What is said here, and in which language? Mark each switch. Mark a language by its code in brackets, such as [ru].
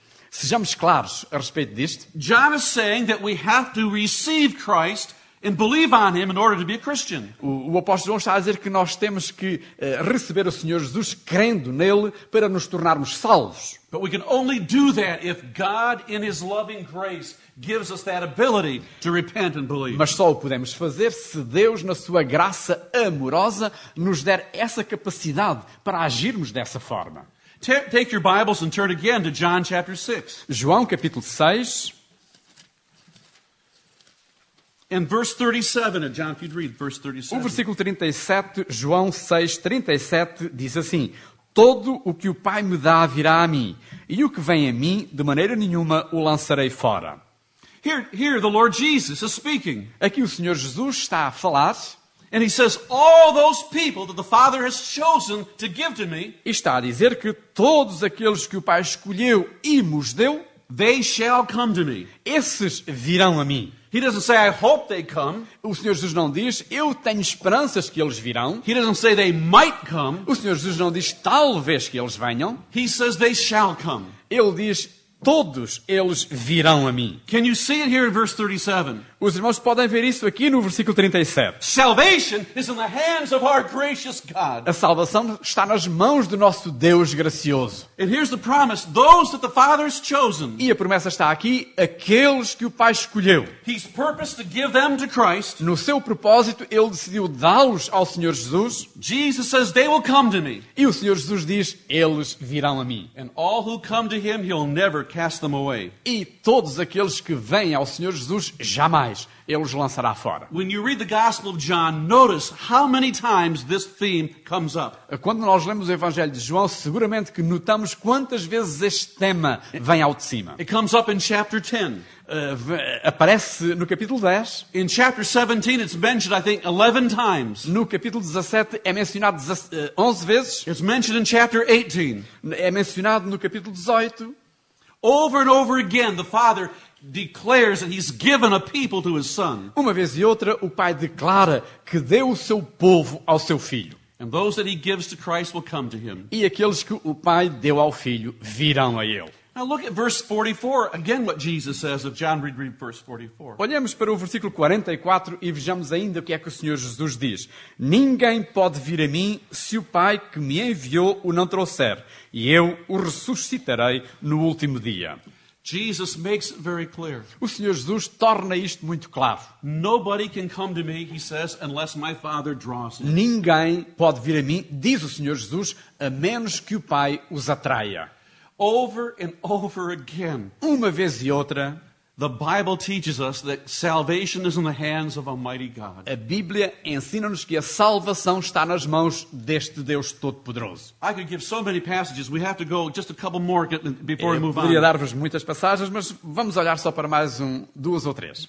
[pt] Sejamos claros a respeito disto. [en] John is saying that we have to receive Christ and believe on him in order to be a Christian. [pt] O apóstolo João está a dizer que nós temos que receber o Senhor Jesus crendo nele para nos tornarmos salvos. [en] But we can only do that if God in his loving grace gives us that ability to repent and believe. [pt] Mas só o podemos fazer se Deus na sua graça amorosa nos der essa capacidade para agirmos dessa forma. [en] Take your Bibles and turn again to John chapter 6. [pt] João capítulo 6. [en] And verse 37 of John, if you'd read verse 37. [pt] O versículo 37, João 6, 37, diz assim: Todo o que o Pai me dá virá a mim, e o que vem a mim, de maneira nenhuma o lançarei fora. [en] Here the Lord Jesus is speaking. [pt] Aqui o Senhor Jesus está a falar. [en] And he says, all those people that the Father has chosen to give to me. [pt] E está a dizer que todos aqueles que o Pai escolheu e nos deu, [en] they shall come to me. [pt] Esses virão a mim. [en] He doesn't say, I hope they come. [pt] O Senhor Jesus não diz, eu tenho esperanças que eles virão. [en] He doesn't say, they might come. [pt] O Senhor Jesus não diz, talvez que eles venham. [en] He says, they shall come. [pt] Ele diz, todos eles virão a mim. [en] Can you see it here in verse 37? [pt] Os irmãos podem ver isso aqui no versículo 37. [en] Salvation is in the hands of our gracious God. [pt] A salvação está nas mãos do nosso Deus gracioso. [en] And here's the promise, those that the Father has chosen. [pt] E a promessa está aqui, aqueles que o Pai escolheu. [en] His purpose to give them to Christ. [pt] No seu propósito, Ele decidiu dá-los ao Senhor Jesus. [en] Jesus says, they will come to me. [pt] E o Senhor Jesus diz, eles virão a mim. [en] And all who come to Him, He'll never cast them away. [pt] E todos aqueles que vêm ao Senhor Jesus, jamais. Mais, ele os lançará fora. [en] When you read the Gospel of John, notice how many times this theme comes up. [pt] Quando nós lemos o Evangelho de João, seguramente que notamos quantas vezes este tema vem ao de cima. [en] It comes up in chapter 10. [pt] Aparece no capítulo 10. [en] In chapter 17, it's mentioned, I think, 11 times. [pt] No capítulo 17 é mencionado 11 vezes. [en] It's mentioned in chapter 18. [pt] É mencionado no capítulo 18. [en] Over and over again, the Father declares that he's given a people to his son. [pt] Uma vez e outra, o Pai declara que deu o seu povo ao seu filho. [en] And those that he gives to Christ will come to him. [pt] E aqueles que o Pai deu ao filho virão a ele. [en] Now look at verse 44. Again what Jesus says of John, read verse 44. [pt] Olhemos para o versículo 44 e vejamos ainda o que é que o Senhor Jesus diz. Ninguém pode vir a mim se o Pai que me enviou o não trouxer, e eu o ressuscitarei no último dia. [en] Jesus makes it very clear. [pt] O Senhor Jesus torna isto muito claro. [en] Nobody can come to me, he says, unless my Father draws him. [pt] Ninguém pode vir a mim, diz o Senhor Jesus, a menos que o Pai os atraia. [en] Over and over again. [pt] Uma vez e outra, [en] the Bible teaches us that salvation is in the hands of Almighty God. [pt] A Bíblia ensina-nos que a salvação está nas mãos deste Deus Todo-Poderoso. [en] I could give so many passages. We have to go just a couple more before we move on. [pt] Eu poderia dar-vos muitas passagens, mas vamos olhar só para mais duas ou três.